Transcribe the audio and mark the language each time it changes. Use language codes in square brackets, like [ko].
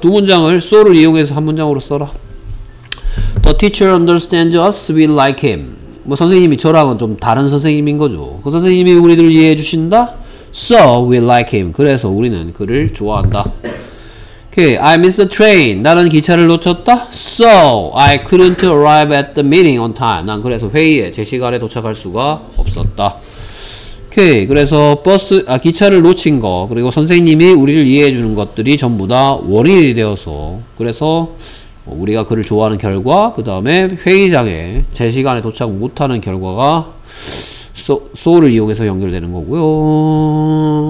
[ko] 두 문장을 so를 이용해서 한 문장으로 써라. [en] The teacher understands us, we like him. [ko] 뭐 선생님이 저랑은 좀 다른 선생님인 거죠. 그 선생님이 우리들을 이해해 주신다? [en] So we like him. [ko] 그래서 우리는 그를 좋아한다. [en] Okay, I missed the train. [ko] 나는 기차를 놓쳤다? [en] So I couldn't arrive at the meeting on time. [ko] 난 그래서 회의에 제 시간에 도착할 수가 없었다. 오케이. 그래서 기차를 놓친 거 그리고 선생님이 우리를 이해해 주는 것들이 전부 다 원인이 되어서 그래서 우리가 그를 좋아하는 결과 그 다음에 회의장에 제 시간에 도착 못하는 결과가 소울을 이용해서 연결되는 거고요.